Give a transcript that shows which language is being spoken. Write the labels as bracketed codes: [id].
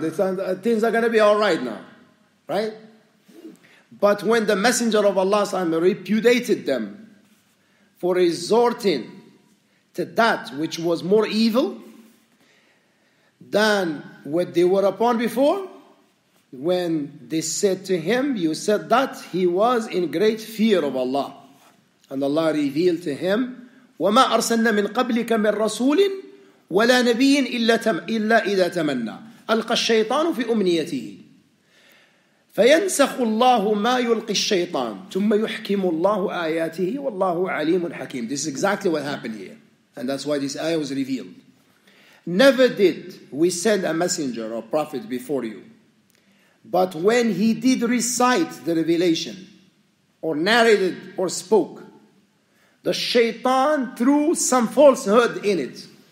[en] They said, things are going to be all right now. Right? But when the Messenger of Allah repudiated them for resorting to that which was more evil than what they were upon before, when they said to him, you said that, he was in great fear of Allah. And Allah revealed to him, [ar] وَمَا أَرْسَلْنَا مِنْ قَبْلِكَ مِنْ رَسُولٍ وَلَا نَبِيٍّ إِلَّا إِذَا تَمَنَّى أَلْقَى الشَّيْطَانُ فِي أُمْنِيَتِهِ فَيَنْسَخُ اللَّهُ مَا يُلْقِي الشَّيْطَانُ ثُمَّ يُحْكِمُ اللَّهُ آيَاتِهِ وَاللَّهُ عَلِيمٌ حَكِيمٌ. [en] This is exactly what happened here. And that's why this ayah was revealed. Never did we send a messenger or prophet before you. But when he did recite the revelation, or narrated or spoke, The shaitan threw some falsehood in it.